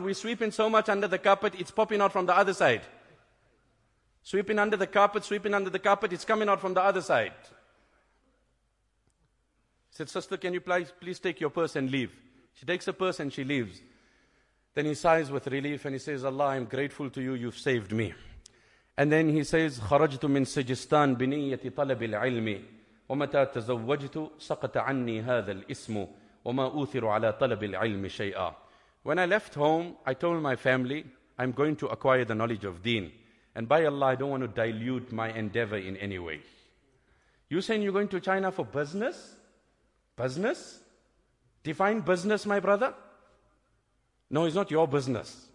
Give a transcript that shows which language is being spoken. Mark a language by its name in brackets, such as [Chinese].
[English] We're sweeping so much under the carpet, it's popping out from the other side. Sweeping under the carpet, it's coming out from the other side. He said, sister, can you please take your purse and leave? She takes her purse and she leaves. Then he sighs with relief and he says, Allah, I'm grateful to you, you've saved me. And then he says, [Arabic] خَرَجْتُ مِنْ سِجِسْتَانِ بِنِيَّةِ طَلَبِ الْعِلْمِ وَمَتَا تَزَوَّجْتُ سَقَتَ عَنِّي هَذَا الْإِسْمُ وَمَا أُوثِرُ عَلَى طَلَبِ الْعِلْمِ شَيْئًا. [English] When I left home, I told my family, I'm going to acquire the knowledge of deen. And by Allah, I don't want to dilute my endeavor in any way. You saying you're going to China for business? Business? Define business, my brother? No, it's not your business.